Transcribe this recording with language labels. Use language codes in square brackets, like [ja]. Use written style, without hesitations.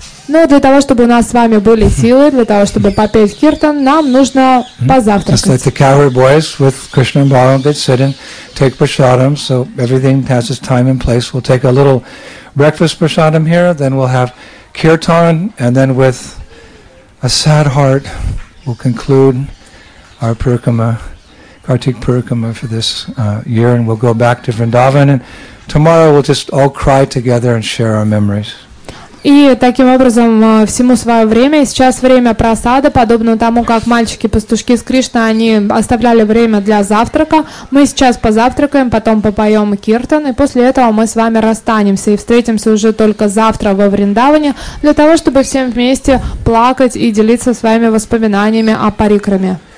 [ru] Но для того, чтобы у нас с вами были силы, для того, чтобы попеть киртан, нам нужно позавтракать. [en] Just like the cowherd boys with Krishna and Balaram, they sit and take prasadam, so everything has its time and place. We'll take a little breakfast prasadam here, then we'll have kirtan, and then with a sad heart, we'll conclude our parikrama, Kartik parikrama for this year, and we'll go back to Vrindavan, and tomorrow we'll just all cry together and share our memories. [ru] И таким образом всему свое время. И сейчас время просада, подобно тому, как мальчики-пастушки с Кришной, они оставляли время для завтрака. Мы сейчас позавтракаем, потом попоем киртан, и после этого мы с вами расстанемся и встретимся уже только завтра во Вриндаване для того, чтобы всем вместе плакать и делиться своими воспоминаниями о парикраме.